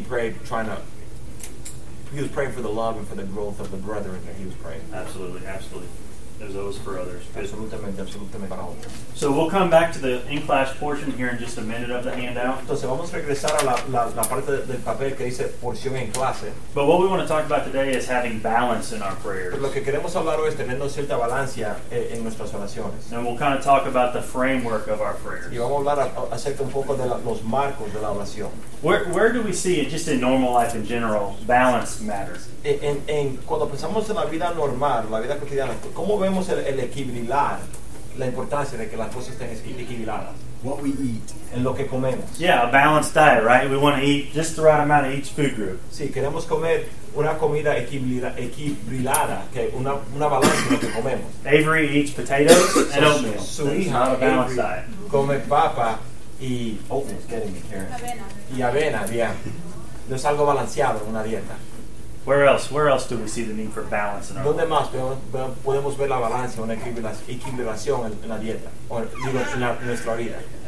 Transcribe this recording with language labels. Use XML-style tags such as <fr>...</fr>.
<en>prayed he was praying for the love and for the growth of the brethren that he was praying. Absolutely, absolutely. As those for others.</en> <es>Absolutamente, absolutamente para otros.</es> <en>So we'll come back to the in-class portion here in just a minute of the handout.</en> <es>Entonces vamos a regresar a la parte del papel que dice porción en clase.</es> <en>But what we want to talk about today is having balance in our prayers.</en> <es>Pero lo que queremos hablar hoy es teniendo cierta balancia en nuestras oraciones.</es> <en>And we'll kind of talk about the framework of our prayers.</en> <es>Y vamos a hablar acerca un poco de los marcos de la oración.</es> <en>Where do we see it just in normal life in general, balance matters?</en> <es>En cuando pensamos en la vida normal, la vida cotidiana, ¿cómo vemos el equilibrar, la importancia de que las cosas estén equilibradas?</es> <en>What we eat.</en> <es>En lo que comemos.</es> <en>Yeah, a balanced diet, right? We want to eat just the right amount of each food group.</en> <es>Sí, queremos comer una comida equilibrada, que una balanza lo que comemos.</es> <en>Avery eats potatoes and oatmeal.</en> <es>Su hija,</es> <en>a balanced diet.</en> <es>Come papa y oatmeal,</es> <en>getting me,</en> <es>Karen. Avena. Y avena, yeah. No es algo balanceado en una dieta.</es> <en>Where else do we see the need for balance in our</en> <es>¿Dónde más podemos ver la balanza, una equilibración en la dieta, o digo, en nuestra vida?</es>